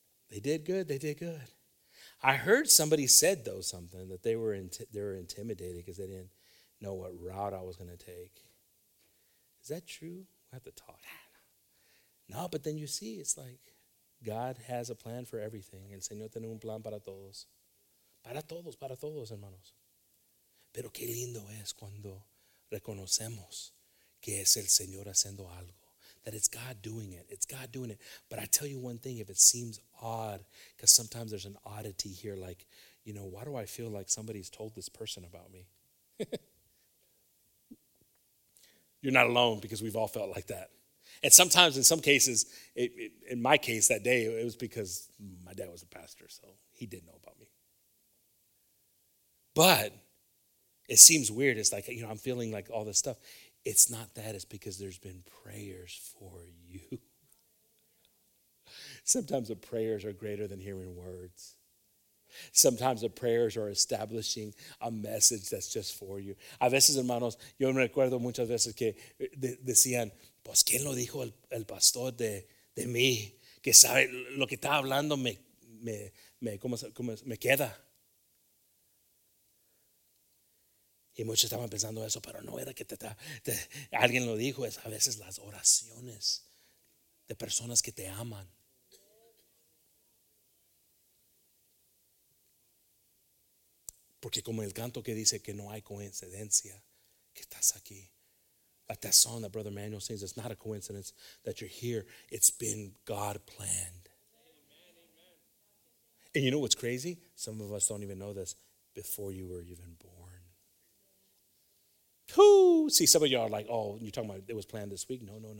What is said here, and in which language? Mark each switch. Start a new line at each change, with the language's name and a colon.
English: They did good. I heard somebody said, though, something, that they were intimidated because they didn't know what route I was going to take. Is that true? We have to talk. No, but then you see, it's like God has a plan for everything.
Spanish: El Señor tiene un plan para todos. Para todos, hermanos. Pero qué lindo es cuando reconocemos que es el Señor haciendo algo.
English: That it's God doing it. It's God doing it. But I tell you one thing, if it seems odd, because sometimes there's an oddity here, like, you know, why do I feel like somebody's told this person about me? You're not alone, because we've all felt like that. And sometimes, in some cases, in my case that day, it was because my dad was a pastor, so he didn't know about me. But it seems weird. It's like, you know, I'm feeling like all this stuff. It's not that. It's because there's been prayers for you. Sometimes the prayers are greater than hearing words. Sometimes the prayers are establishing a message that's just for you.
Spanish: A veces, hermanos, yo me recuerdo muchas veces que decían, pues, ¿quién lo dijo el pastor de mí? Que sabe lo que está hablando me queda. Y muchos estaban pensando eso, pero no era que alguien lo dijo. Es a veces las oraciones de personas que te aman. Porque como el canto que dice que no hay coincidencia, que estás aquí.
English: Like that song that Brother Manuel sings, it's not a coincidence that you're here. It's been God planned. Amen, amen. And you know what's crazy? Some of us don't even know this. Before you were even born. Whoo! See, some of y'all are like, oh, you're talking about it was planned this week. No.